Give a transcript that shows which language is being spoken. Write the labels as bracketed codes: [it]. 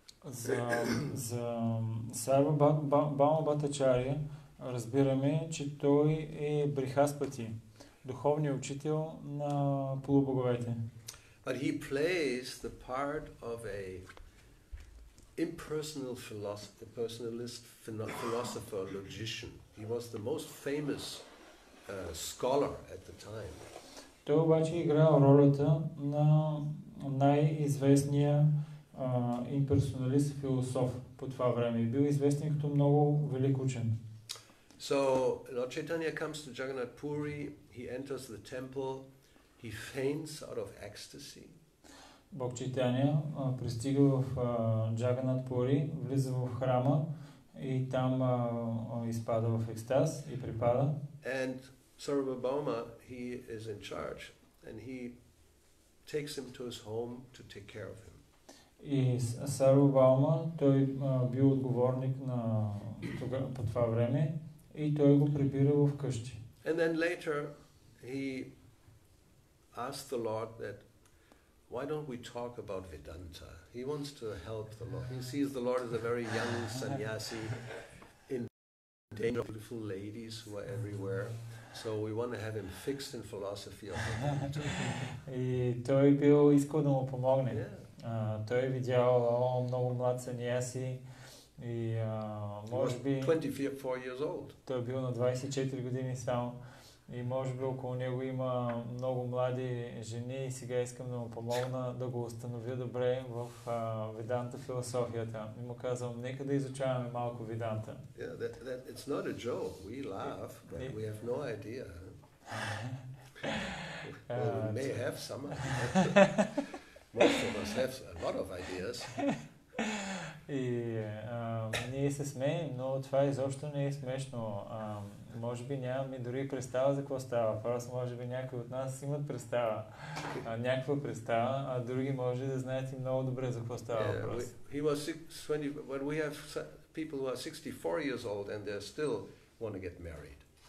[bg] За Сарва Бхаума Бхаттачарья разбираме, че той е Брихаспати, духовният учител на полубоговете. [en] But he plays the part of a impersonal philosopher, a personalist philosopher, logician. He was the most famous scholar at the time. [bg] Той обаче играл ролята на най-известния имперсоналист философ по това време. Бил известен като много велик учен. [en] So Lord Chaitanya comes to Jagannath Puri, he enters the temple, he faints out of ecstasy. [bg] Бог Чайтанья пристига в Джаганат Пури, влиза в храма и там изпада в екстаз и припада. [en] And Sarva Bhauma, he is in charge and he takes him to his home to take care of him. [bg] И Сарва Бхаума, той бил отговорник на по това време, и той го прибира вкъщи. [en] And then later he asked the Lord that why don't we talk about Vedanta? He wants to help the Lord. He sees the Lord as a very young sannyasi in danger of beautiful ladies who are everywhere. So we want to have him fixed in philosophy of Vedanta. [bg] И той бил искал да му помогне. Той видял много млад сан'яси. И може би [en] 24 years old. [bg] Той бил на 24 години само. И може би около него има много млади жени и сега искам да му помогна да го установя добре в Веданта философията. И му казвам, нека да изучаваме малко Веданта. [en] It's not a joke. We laugh, but we have no idea. Well, we may have some. Most of us have a lot of ideas. [bg] И ние се смеем, но това изобщо не е смешно. Може би нямаме дори представа за какво става. Просто може би някои от нас имат представа, някаква представа, а други може да знаят и много добре за какво става въпрос. [en] When we have people who are 64 years old and they still want to get married.